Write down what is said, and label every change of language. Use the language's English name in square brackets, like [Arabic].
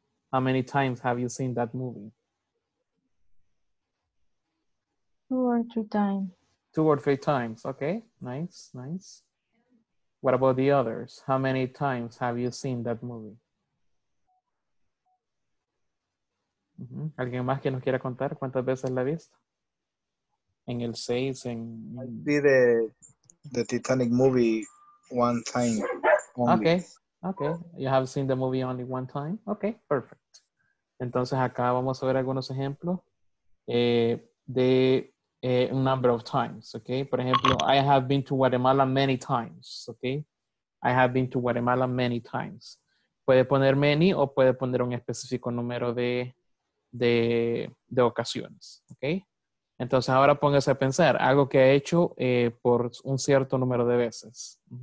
[English] How many times have you seen that movie? 2 or 3 times. 2 or 3 times. Okay. Nice. What about the others? How many times have you seen that movie? [Spanish] ¿Alguien más que nos quiera contar cuántas veces la ha visto? En el 6, en... [English] I did the Titanic movie 1 time only. Okay. You have seen the movie only 1 time? Okay, perfect. [Spanish] Entonces acá vamos a ver algunos ejemplos de... [English] un number of times, okay? [Spanish] Por ejemplo, [English] I have been to Guatemala many times, okay? I have been to Guatemala many times. [Spanish] Puede poner many o puede poner un específico número de ocasiones, okay? Entonces ahora póngase a pensar, algo que ha hecho por un cierto número de veces.